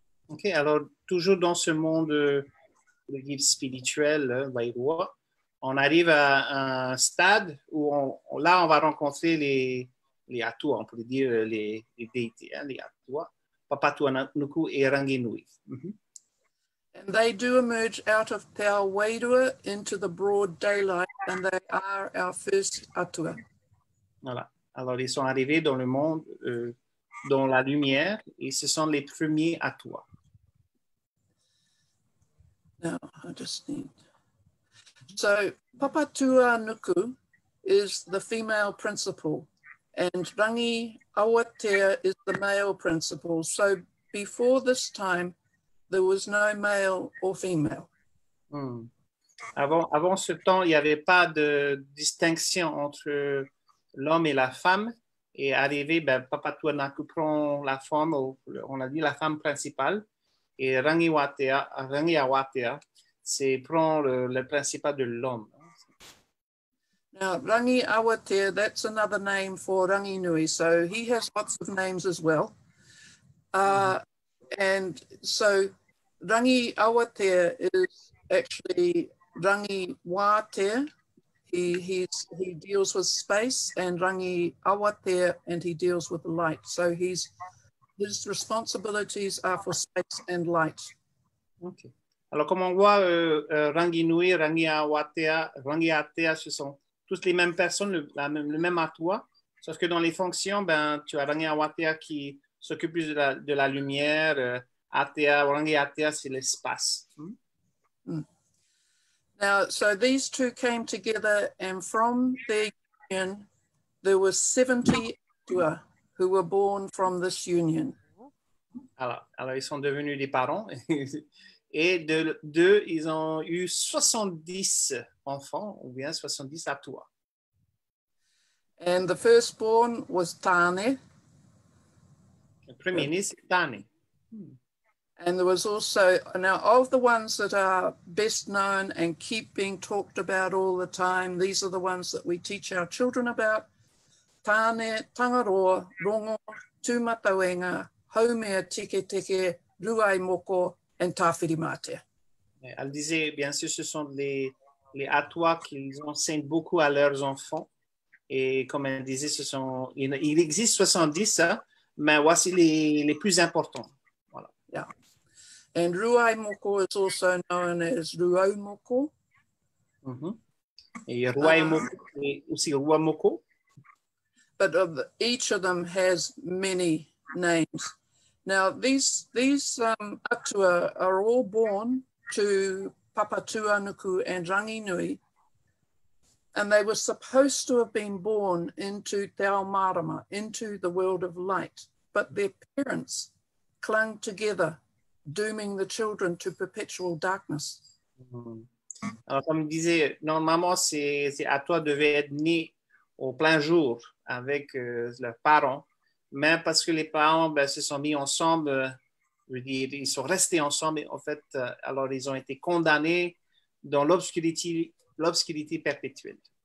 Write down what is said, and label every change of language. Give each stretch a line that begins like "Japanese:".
French: Okay, alors toujours dans ce monde spirituel, Wairua. On arrive à un stade où on va rencontrer les Atua, on pourrait dire les déités, hein, les Atua, Papatuanuku et Ranginui. Mm-hmm.
English: And they do emerge out of Te Awairua into the broad daylight, and they are our first Atua.
French: Voilà. Alors, ils sont arrivés dans le monde, dans la lumière, et ce sont les premiers Atua.
English: Now, I just need... So Papatuanuku is the female principle and Rangi Awatea is the male principle. So before this time, there was no male or female. Hmm.
French: Avant ce temps, il n'y avait pas de distinction entre l'homme et la femme. Et arrivé, ben, Papatuanuku prend la forme, on a dit la femme principale, et Rangi Awatea, c'est prendre le principal de l'homme.
English: Now, Rangi Awatea, that's another name for Ranginui. So he has lots of names as well. And so Rangi Awatea is actually Rangi Watea. He deals with space, and Rangi Awatea, and he deals with light. So his responsibilities are for space and light. Okay.
French: Alors, comme on voit, Ranginui, Rangi Awatea, Rangi Atea, ce sont toutes les mêmes personnes, le même Atua. Sauf que dans les fonctions, ben, tu as Rangi Awatea qui s'occupe plus de la lumière. Atea, Rangi Atea, c'est l'espace.
English: Now, so these two came together, and from their union, there were 70 Atua who were born from this union.
French: Alors, ils sont devenus des parents. Et de deux, ils ont eu 70 enfants, ou bien 70 Atua.
English: And the firstborn was Tane.
French: Le premier-né, c'est Tane.
English: And there was also, now of the ones that are best known and keep being talked about all the time, these are the ones that we teach our children about. Tāne, Tangaroa, Rongo, Tūmatawenga, Haumea, Teke Teke, Ruai Moko, and Tāwhiri Mate.
French: Elle disait, bien sûr, ce sont les atois qu'ils enseignent beaucoup à leurs enfants. Et comme elle disait, ce sont, il existe 70, mais voici les plus importants. Voilà.
English: Yeah. And Ruai Moko is also known as Ruau Moko.
French: Mm-hmm. Et Ruai Moko est aussi Ruai Moko.
English: But of the, each of them has many names. Now, these atua are all born to Papatuanuku and Ranginui, and they were supposed to have been born into Te Ao Marama, into the world of light, but their parents clung together, dooming the children to perpetual darkness. Mm-hmm.
French: Alors, comme disait, normalement, ces atua devaient être nés au plein jour avec leurs parents, mais parce que les parents ben, se sont mis ensemble, ils sont restés ensemble, et en fait, alors ils ont été condamnés dans l'obscurité perpétuelle.